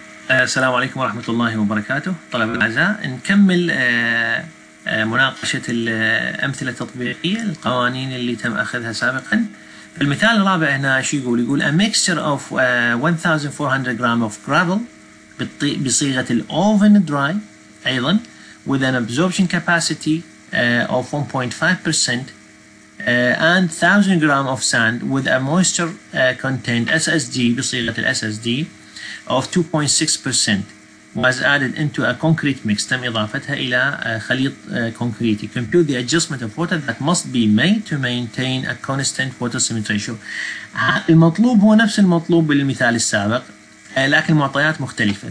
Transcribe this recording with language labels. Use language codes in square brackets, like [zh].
[ar] السلام عليكم ورحمة الله وبركاته. طلاب الأعزاء، نكمل مناقشة الأمثلة التطبيقية القوانين اللي تم أخذها سابقا. في المثال الرابع هنا شو يقول؟ يقول [en] a mixture of 1400 gram of gravel [ar] بصيغة الـ [en] oven dry [ar] أيضا [en] with an absorption capacity of 1.5% and 1000 gram of sand with a moisture content SSD بصيغة الـ SSD of 2.6% was added into a concrete mix. [ar] تم إضافتها إلى خليط كونكريتي. [en] Compute the adjustment of water that must be made to maintain a constant water cement ratio. [ar] المطلوب هو نفس المطلوب بالمثال السابق لكن المعطيات مختلفة.